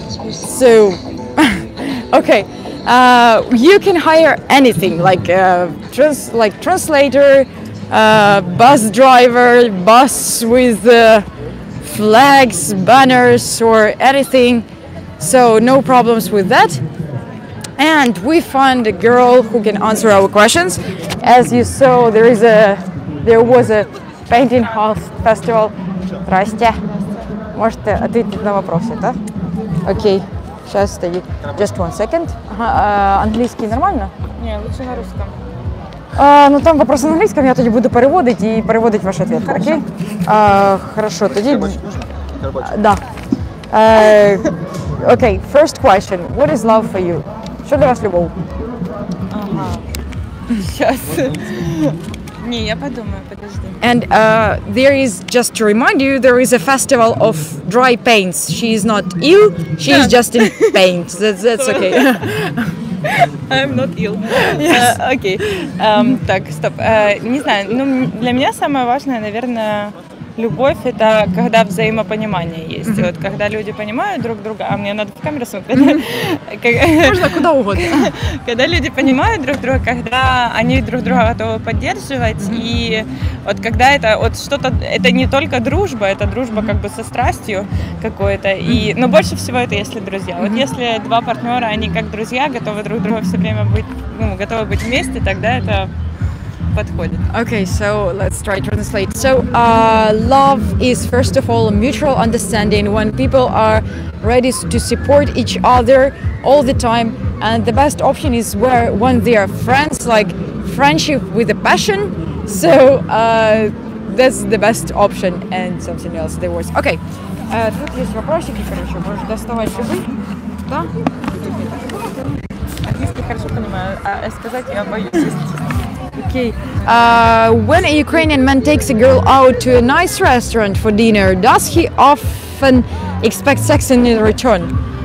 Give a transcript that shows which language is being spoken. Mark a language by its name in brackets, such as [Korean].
[English] So, okay, you can hire anything, like translator, bus driver, bus with flags, banners, or anything, so no problems with that. And we find a girl who can answer our questions. As you saw, there is a, there was a painting house festival. [Russian] Здрасте. Можете ответить на вопросы, да? Окей. Сейчас стою. [English] Just one second. [Russian] Английский нормально? Не, лучше на русском. Ну там вопрос на английском, я тогда буду переводить и переводить ваш ответ, окей? Хорошо, тогда... [English] Да. Окей, first question. What is love for you? [Ukrainian] Що для вас любов? Ага. [Russian] Сейчас. [Ukrainian] Ні, я подумаю, подожди. [English] And there is, just to remind you, there is a festival of dry paints. She is not ill, she is just in paint. That's okay. I'm not ill. Yes. [Russian] Okay. Так, стоп. Не знаю, ну для меня самое важное, наверное, любовь — это когда взаимопонимание есть. Mm-hmm. Вот когда люди понимают друг друга, а мне надо в камеру смотреть. Mm-hmm. Можно куда угодно. Когда люди понимают друг друга, когда они друг друга готовы поддерживать. Mm-hmm. И вот когда это вот что-то, это не только дружба, это дружба как бы со страстью какой-то. Mm-hmm. И, но больше всего это если друзья. Mm-hmm. Вот если два партнера, они как друзья, готовы друг друга все время быть, ну, готовы быть вместе, тогда это. [English] Okay, so let's try to translate. So love is first of all a mutual understanding when people are ready to support each other all the time, and the best option is where when they are friends, like friendship with a passion. So that's the best option and something else, the words. Okay. [Russian] Тут есть вопросики, короче, можешь доставать любые. Да? Английский хорошо понимаю, а сказать я боюсь. [English] Okay. When a Ukrainian man takes a girl out to a nice restaurant for dinner, does he often expect sex in return?